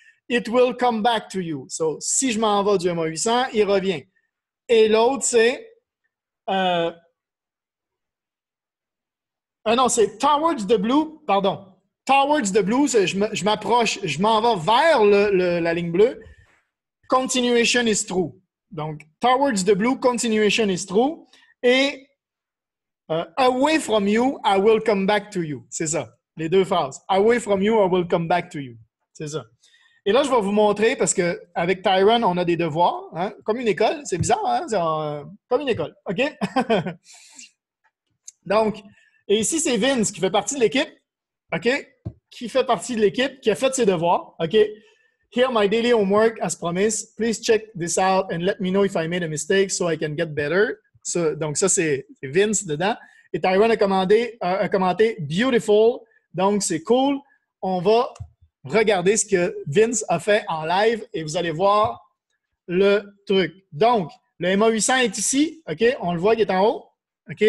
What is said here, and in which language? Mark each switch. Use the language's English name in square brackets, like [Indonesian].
[English] It will come back to you. So, [French] si je m'en vais du MA 800, il revient. Et l'autre, c'est... c'est [English] towards the blue, [French] pardon. [English] Towards the blue, [French] c'est je m'approche, je m'en vais vers la ligne bleue. [English] Continuation is true. [French] Donc, [English] towards the blue, continuation is true. [French] Et... [English] away from you, I will come back to you. [French] C'est ça, les deux phrases. [English] Away from you, I will come back to you. [French] C'est ça. Et là, je vais vous montrer, parce qu'avec Tyron, on a des devoirs, hein? Comme une école. C'est bizarre, hein? Comme une école. OK? Donc, et ici, c'est Vince qui fait partie de l'équipe. OK? Qui fait partie de l'équipe, qui a fait ses devoirs. OK? [English] Here my daily homework, as promised. Please check this out and let me know if I made a mistake so I can get better. [French] Donc, ça, c'est Vince dedans. Et Tyron a commenté « Beautiful ». Donc, c'est cool. On va regarder ce que Vince a fait en live et vous allez voir le truc. Donc, le MA 800 est ici. OK? On le voit, il est en haut. OK?